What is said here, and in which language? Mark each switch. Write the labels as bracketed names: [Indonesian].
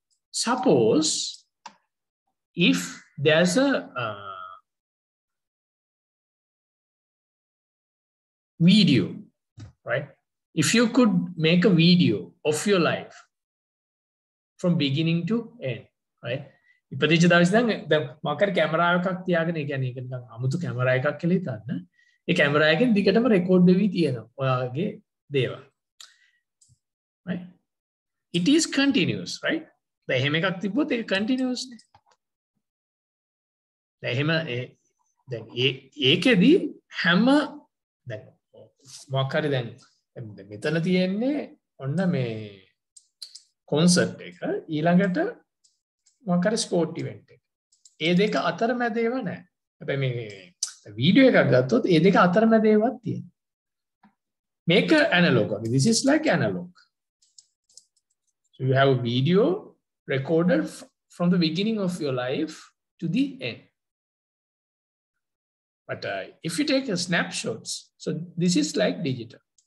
[English] Suppose if there's a video, right? If you could make a video of your life from beginning to end, right? [Sinhala] ඉපදිච්ච දවස් ඉඳන් මකර camera එකක් තියාගෙන ඒ කියන්නේ ඒක නිකන් අමුතු කැමරා එකක් කියලා හිතන්න. ඒ කැමරා එකෙන් දිගටම රෙකෝඩ් වෙවි තියෙනවා ඔයාගේ දේවල්. Right? [English] It is continuous, right? [Sinhala] දැන් එහෙම එකක් තිබ්බොත් ඒක continuous නේ. දැන් එහෙම දැන් ඒකෙදි හැම දැන් මොකක්hari දැන් මෙතන තියෙන්නේ ඔන්න මේ concert එක ඊළඟට මොකක්hari sport event එක. ඒ දෙක අතරමැද ඒව නැහැ. හැබැයි මේ video එකක් ගත්තොත් ඒ දෙක අතරමැද ඒවත් තියෙනවා. මේක analog වගේ. [English] This is like analog. So you have a video recorded from the beginning of your life to the end. But if you take a snapshots, so this is like digital.